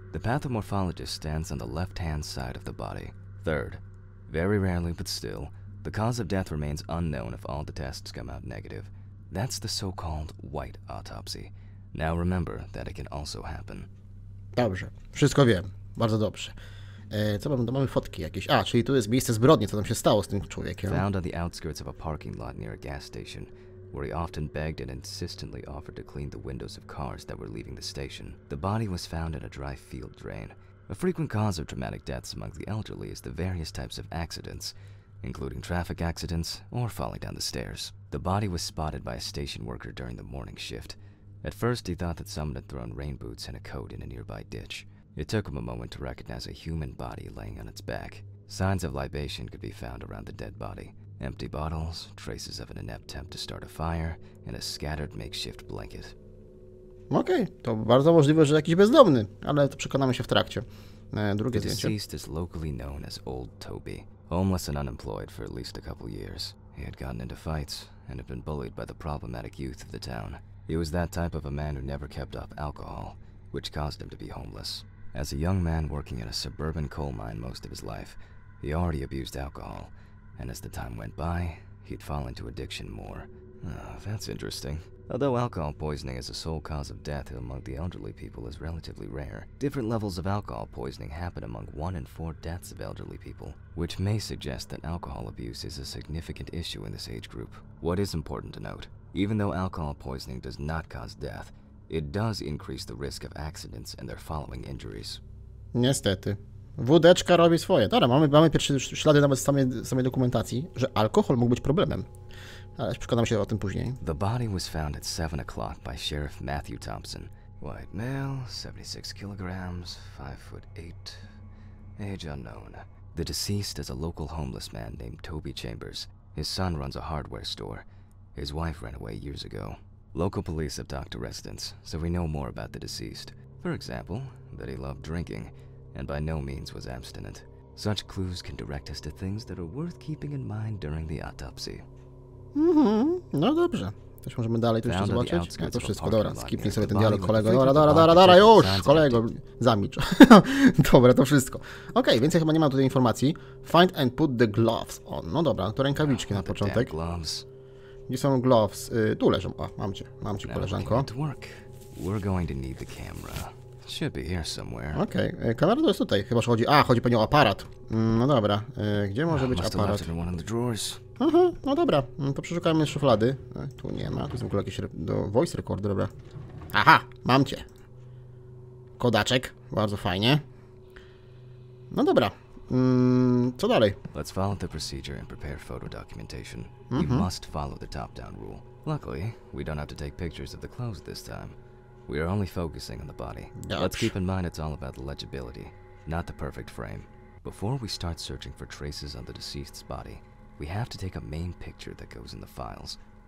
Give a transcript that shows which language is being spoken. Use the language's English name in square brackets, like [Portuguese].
[English] The pathomorphologist stands on the left-hand side of the body. Third, very rarely but still, the cause of death remains unknown if all the tests come out negative. That's the so-called white autopsy. Now remember that it can also happen. [Polish] Dobrze, wszystko wiem. Bardzo dobrze. Co mamy? Mamy fotki jakieś. A, czyli tu jest miejsce zbrodni. Co tam się stało z tym człowiekiem? [English] Found on the outskirts of a parking lot near a gas station, where he often begged and insistently offered to clean the windows of cars that were leaving the station. The body was found in a dry field drain. A frequent cause of traumatic deaths among the elderly is the various types of accidents, including traffic accidents or falling down the stairs. The body was spotted by a station worker during the morning shift. At first, he thought that someone had thrown rain boots and a coat in a nearby ditch. It took him a moment to recognize a human body laying on its back. Signs of libation could be found around the dead body. Empty bottles, traces of an inept attempt to start a fire, and a scattered makeshift blanket. [Polish] Okej, to bardzo możliwe, że jakiś bezdomny, ale to przekonamy się w trakcie. Drugie zdjęcie. [English] The deceased is locally known as Old Toby, homeless and unemployed for at least a couple years. He had gotten into fights and had been bullied by the problematic youth of the town. He was that type of a man who never kept up alcohol, which caused him to be homeless. As a young man working in a suburban coal mine most of his life, he already abused alcohol, and as the time went by, he'd fall into addiction more. That's interesting. Although alcohol poisoning is the sole cause of death among the elderly people is relatively rare, different levels of alcohol poisoning happen among 1 in 4 deaths of elderly people, which may suggest that alcohol abuse is a significant issue in this age group. What is important to note, even though alcohol poisoning does not cause death, it does increase the risk of accidents and their following injuries. [Polish] Niestety. Wódeczka robi swoje. Dobra, mamy pierwsze ślady nawet z samej dokumentacji, że alkohol mógł być problemem. Ale przekonamy się o tym później. [English] The body was found at 7 o'clock by Sheriff Matthew Thompson. White male, 76 kilograms, 5'8", age unknown. The deceased is a local homeless man named Toby Chambers. His son runs a hardware store. His wife ran away years ago. Local police have talked to residents, so we know more about the deceased. For example, that he loved drinking, and by no means was abstinent. Such clues can direct us to things that are worth keeping in mind during the autopsy. [Polish] No dobrze. Też możemy dalej tu jeszcze zobaczyć? Nie, to wszystko, dobra, skipnij sobie ten dialog, kolego. Dobra, już, kolego, zamilcz. Dobra, to wszystko. Okej, więcej chyba nie mam tutaj informacji. [English] Find and put the gloves on. [Polish] No dobra, to rękawiczki na początek. Gdzie są gloves? Tu leżą. O, mam cię, koleżanko. [English] We're going to need the camera. Should be here somewhere. [Polish] Okej, kamera to jest tutaj, chyba że chodzi. A, chodzi pewnie o aparat. No dobra, gdzie może być aparat? Aha, no dobra, to przeszukajmy szuflady. Tu nie ma, tu jest w ogóle jakiś voice recorder, dobra. Aha, mam cię. Kodaczek, bardzo fajnie. No dobra. Co dalej? [English] Let's follow the procedure and prepare photo documentation. You must follow the top-down rule. Luckily, we don't have to take pictures of the clothes this time. We are only focusing on the body. Let's keep in mind it's all about the legibility, not the perfect frame. Before we start searching for traces on the deceased's body, we have to take a main picture that goes in the files.